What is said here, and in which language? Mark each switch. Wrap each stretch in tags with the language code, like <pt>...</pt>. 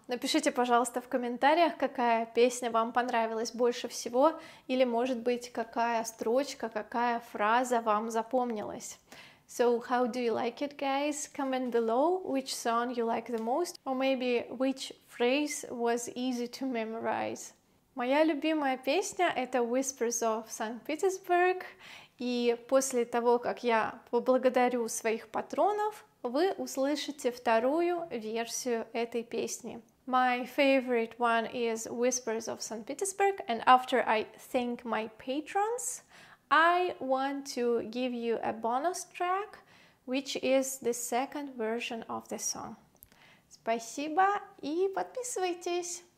<ru>Напишите, пожалуйста, в комментариях, какая песня вам понравилась больше всего, или, может быть, какая строчка, какая фраза вам запомнилась.</ru> <en>So, how do you like it, guys? Comment below which song you like the most, or maybe which phrase was easy to memorize.</en> <ru>Моя любимая песня — это Whispers of St. Petersburg, и после того, как я поблагодарю своих патронов, вы услышите вторую версию этой песни.</ru> <en>My favorite one is Whispers of St. Petersburg, and after I thank my patrons, I want to give you a bonus track, which is the second version of the song.</en> <ru>Спасибо и подписывайтесь!</ru>